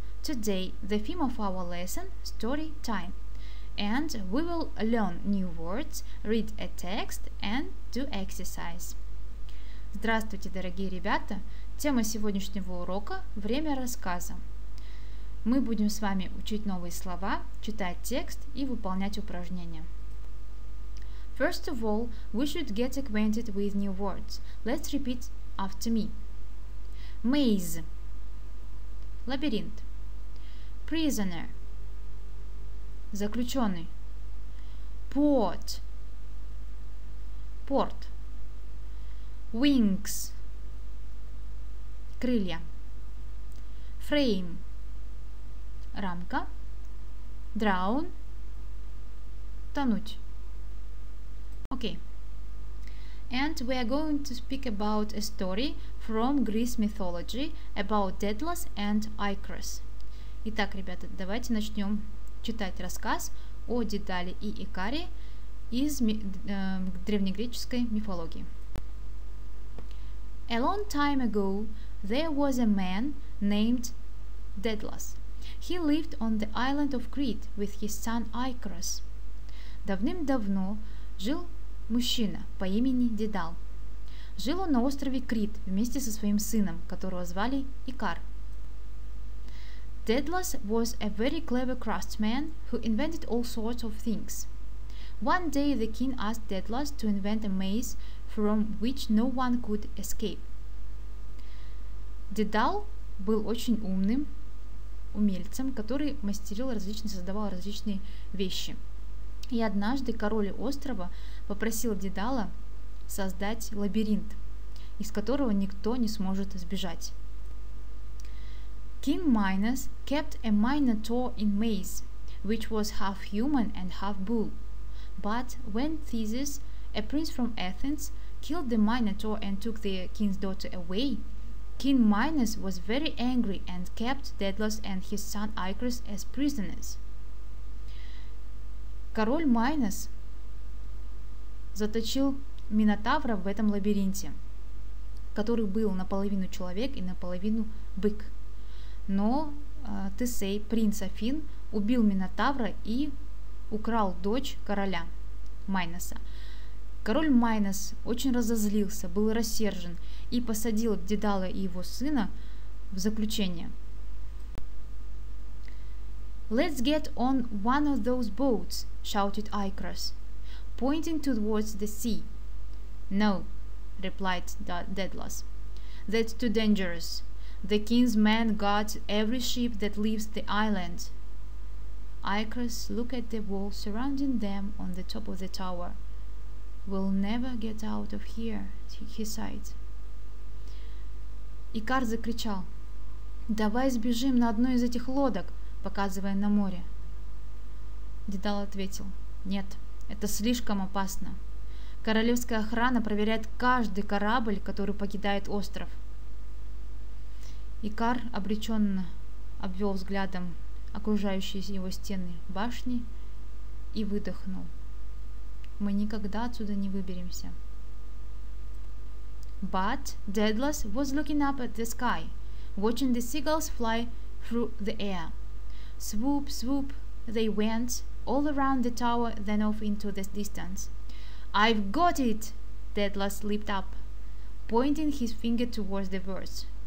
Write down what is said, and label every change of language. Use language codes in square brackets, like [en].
[en] Today the theme of our lesson story time, and we will learn new words, read a text and do exercise. [ru] Здравствуйте, дорогие ребята! Тема сегодняшнего урока – время рассказа. Мы будем с вами учить новые слова, читать текст и выполнять упражнения. [en] First of all, we should get acquainted with new words. Let's repeat after me. Maze. Лабиринт. Prisoner. Заключенный. Port. Порт. Wings. Крылья. Frame. Рамка. Drown. Тонуть. Okay. And we are going to speak about a story from Greece mythology about Daedalus and Icarus. [ru] Итак, ребята, давайте начнем читать рассказ о Дедале и Икаре из древнегреческой мифологии. [en] A long time ago, there was a man named Daedalus. He lived on the island of Crete with his son Icarus. [ru] Давным-давно жил мужчина по имени Дедал. Жил он на острове Крит вместе со своим сыном, которого звали Икар. [en] Daedalus was a very clever craftsman who invented all sorts of things. One day the king asked Daedalus to invent a maze from which no one could escape. [ru] Дедал был очень умным умельцем, который мастерил различные, создавал различные вещи. И однажды король острова попросил Дедала создать лабиринт, из которого никто не сможет сбежать. [en] King Minos kept a minotaur in maze, which was half human and half bull. But when Theseus, a prince from Athens, killed the minotaur and took the king's daughter away, King Minos was very angry and kept Daedalus and his son Icarus as prisoners. [ru] Король Майнос заточил Минотавра в этом лабиринте, который был наполовину человек и наполовину бык. Но Тесей, принц Афин, убил Минотавра и украл дочь короля Майноса. Король Майнос очень разозлился, был рассержен и посадил Дедала и его сына в заключение. [en] Let's get on one of those boats, shouted Icarus, pointing towards the sea. No, replied Daedalus. That's too dangerous. The king's men guard every ship that leaves the island. Icarus looked at the wall surrounding them on the top of the tower. We'll never get out of here, he sighed. [ru] Икар закричал, давай сбежим на одной из этих лодок, показывая на море. Дедал ответил, нет, это слишком опасно. Королевская охрана проверяет каждый корабль, который покидает остров. Икар обреченно обвел взглядом окружающие его стены башни и выдохнул. Мы никогда отсюда не выберемся. [en] But Daedalus was looking up at the sky, watching the seagulls fly through the air. Swoop, swoop, they went all around the tower, then off into the distance. I've got it! Daedalus leaped up, pointing his finger towards the birds.